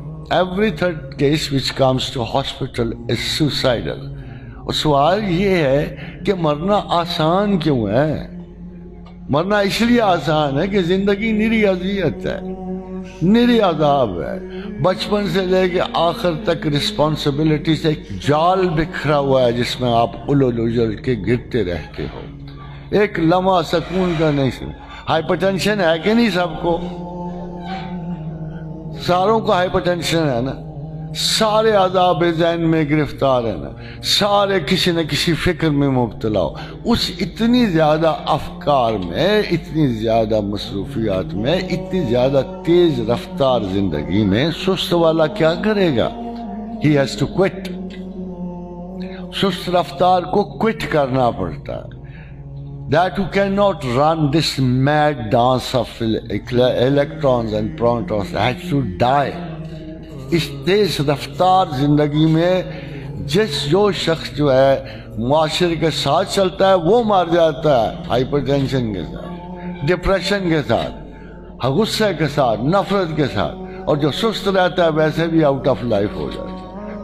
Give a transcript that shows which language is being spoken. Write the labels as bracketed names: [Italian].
[English] every third case which comes to hospital is suicidal. [Hindi] और सवाल ये है कि मरना आसान क्यों है? मरना इसलिए आसान है कि जिंदगी निरी अजियत है, निरी अजाब है. बचपन से लेके आखिर तक रिस्पॉन्सिबिलिटी से एक जाल बिखरा हुआ है जिसमें आप उलझ उलझ के गिरते रहते हो. एक लम्हा सुकून का नहीं. सुन, हाइपरटेंशन है कि नहीं? सबको, सारों को हाइपरटेंशन है ना. सारे अजाब जहन में गिरफ्तार है ना. सारे किसी न किसी फिक्र में मुबतला हो. उस इतनी ज्यादा अफकार में, इतनी ज्यादा मसरूफियात में, इतनी ज्यादा तेज रफ्तार जिंदगी में सुस्त वाला क्या करेगा? He has to quit. सुस्त रफ्तार को क्विट करना पड़ता है. [English] That you cannot run this mad dance of electrons and protons has to die. [Hindi] इस तेज रफ्तार जिंदगी में जिस जो शख्स जो है माशरे के साथ चलता है वो मर जाता है. हाइपरटेंशन के साथ, डिप्रेशन के साथ, गुस्से के साथ, नफरत के साथ. और जो सुस्त रहता है वैसे भी [English] out of life [Hindi] हो जाता है.